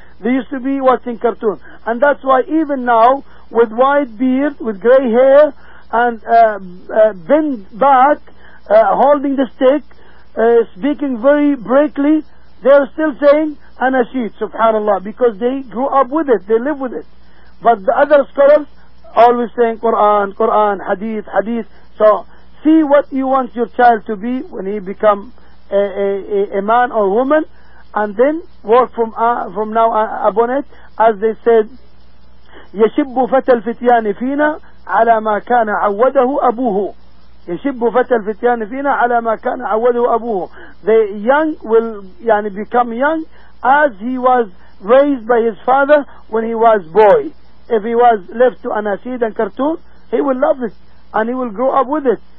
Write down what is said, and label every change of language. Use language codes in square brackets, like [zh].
[en] They used to be watching cartoon. And that's why even now, with white beard, with gray hair, and bent back, holding the stick, speaking very brightly, they are still saying anashid, subhanallah, because they grew up with it, they live with it. But the other scholars, always saying Quran, hadith, so... See what you want your child to be when he become a man or woman, and then work from now upon it. [ar] As they said, يَشِبُّ فَتَى الْفِتْيَانِ فِينَا عَلَى مَا كَانَ عَوَّدَهُ أَبُوهُ يَشِبُّ فَتَى الْفِتْيَانِ فِينَا عَلَى مَا كَانَ عَوَّدَهُ أَبُوهُ. [en] The young will yani become young as he was raised by his father when he was boy. If he was left to anashid and cartoon, he will love it and he will grow up with it.